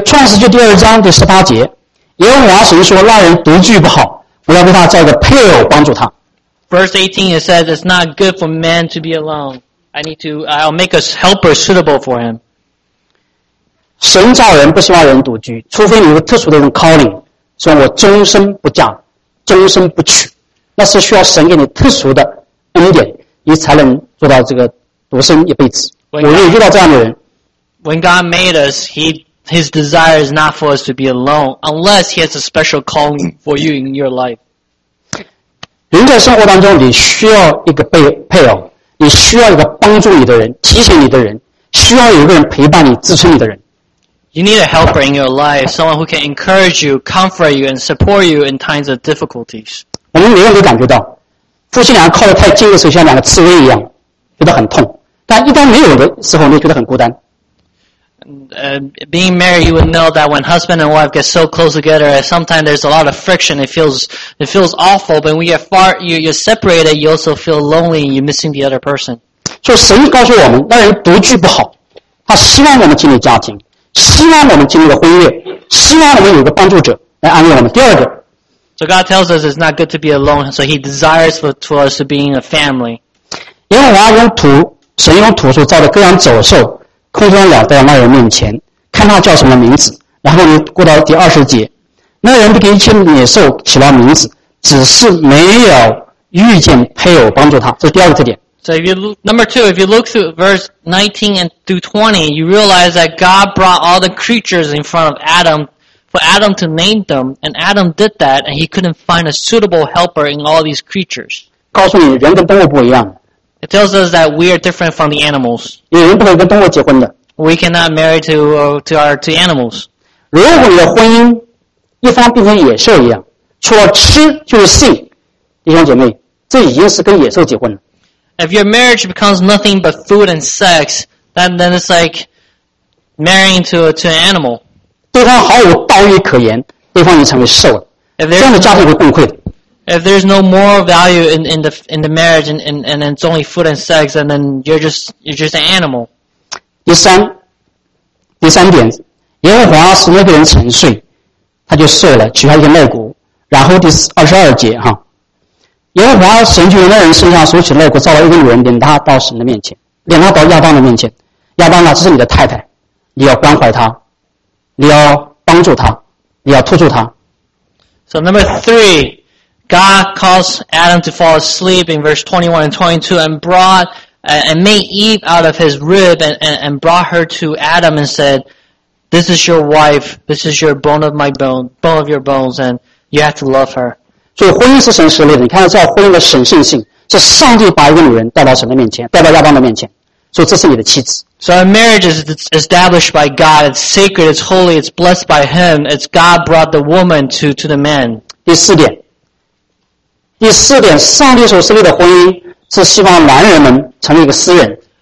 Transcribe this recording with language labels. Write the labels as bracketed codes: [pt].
[zh] 请大家注意哈，这个创世纪第二章第18节。耶和华神说：“那人独居不好，我要为他造个配偶帮助他。” [en] Verse 18 it says, "It's not good for man to be alone. I'll make a helper suitable for him." [zh] 神造人不希望人独居，除非你有特殊的一种 calling， 说我终身不嫁，终身不娶，那是需要神给你特殊的恩典，你才能做到这个独身一辈子。我也遇到这样的人。When [en] God made us, His desire is not for us to be alone, unless He has a special calling for you in your life. [zh] 人在生活当中，你需要一个配偶，你需要一个帮助你的人、提醒你的人。需要有个人陪伴你、支撑你的人。 [en] You need a helper in your life, someone who can encourage you, comfort you, and support you in times of difficulties. [zh] 我们每个人都感觉到，夫妻两个靠得太近的时候，像两个刺猬一样，觉得很痛。但一旦没有的时候，你觉得很孤单。 [en] Being married, you would know that when husband and wife get so close together, sometimes there's a lot of friction. It feels awful. But when you get far, you're separated, you also feel lonely and you're missing the other person. [zh] So, 神告诉我们，那人独居不好，他希望我们建立家庭，希望我们建立个婚约，希望我们有个帮助者来安慰我们。第二个 [en] ，So God tells us it's not good to be alone. So He desires for us to be in a family. [zh] 因为我要用土，神用土所造的各样走兽。空中鸟在那人面前，看他叫什么名字。然后你过到第二十节，那人给一切野兽起了名字，只是没有遇见配偶帮助他。这是第二个特点。 [en] So if you number two, if you look through verse 19 and through 20, you realize that God brought all the creatures in front of Adam for Adam to name them, and Adam did that, and he couldn't find a suitable helper in all these creatures. [zh] 告诉你，人跟动物不一样。 [en] It tells us that we are different from the animals. [zh] 有人不能跟动物结婚的。 [en] We cannot marry to animals. [zh] 如果你的婚姻一方变成野兽一样，除了吃就是性，弟兄姐妹，这已经是跟野兽结婚了。 [en] If your marriage becomes nothing but food and sex, then it's like marrying to an animal. [zh] 对方毫无道义可言，对方已经成为兽了，这样的家庭会崩溃的。 [en] If there's no moral value in the marriage and it's only food and sex, and then you're just an animal. [zh] 第三点，耶和华使那个人沉睡，他就睡了，取下一些肋骨。然后第二十二节哈，耶和华神就从那人身上索取肋骨，造了一个女人，领他到神的面前，领他到亚当的面前。亚当啊，这是你的太太，你要关怀她，你要帮助她，你要托住她。 [en] So number three. God calls Adam to fall asleep in verse 21 and 22 and brought and made Eve out of his rib and brought her to Adam and said, This is your wife, this is your bone of my bone, bone of your bones, and you have to love her. [zh] 所以婚姻是神设立的，你看到这婚姻的神圣性，是上帝把一个女人带到神的面前，带到亚当的面前，所以这是你的妻子。 [en] So a marriage is established by God, it's sacred, it's holy, it's blessed by Him, it's God brought the woman to the man. [zh] 第四点，上帝所设立的婚姻是希望男人们成为一个私人。